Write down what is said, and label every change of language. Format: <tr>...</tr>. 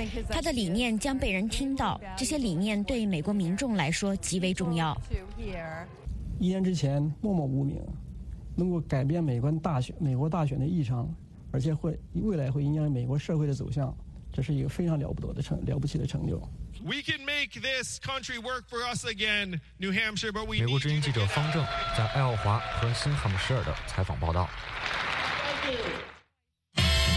<zh>他的理念将被人听到，这些理念对美国民众来说极为重要。一年之前默默无名，能够改变美国大选的议程，而且会未来会影响美国社会的走向，这是一个非常了不起的成就。</zh> <en>We can make this country work for us again, New Hampshire, but we.</en> <zh>美国之音记者方正在爱奥华和新罕布什尔的采访报道。</zh> <en>Thank you.</en>